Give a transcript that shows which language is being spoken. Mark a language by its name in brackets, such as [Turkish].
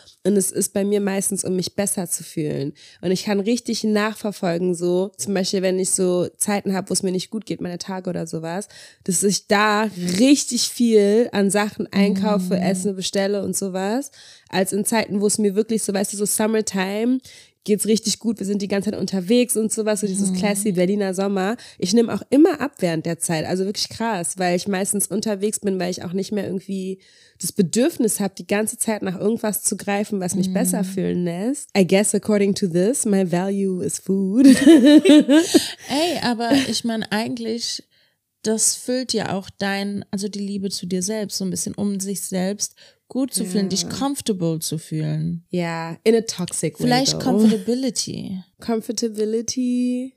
[German] Und es ist bei mir meistens, um mich besser zu fühlen. Und ich kann richtig nachverfolgen, so zum Beispiel, wenn ich so Zeiten habe, wo es mir nicht gut geht, meine Tage oder sowas, dass ich da richtig viel an Sachen einkaufe, Essen bestelle und sowas, als in Zeiten, wo es mir wirklich so, weißt du, so Summertime geht's richtig gut, wir sind die ganze Zeit unterwegs und sowas, so dieses classy Berliner Sommer. Ich nehme auch immer ab während der Zeit, also wirklich krass, weil ich meistens unterwegs bin, weil ich auch nicht mehr irgendwie das Bedürfnis habe, die ganze Zeit nach irgendwas zu greifen, was mich besser fühlen lässt. [English] I guess according to this, my value is food. [German] Ey, aber ich meine eigentlich, das füllt ja auch dein, also die Liebe zu dir selbst, so ein bisschen um sich selbst gut zu fühlen, dich comfortable zu fühlen. [English] Ja, in a toxic way. [German] Vielleicht [English] though. Comfortability. Comfortability.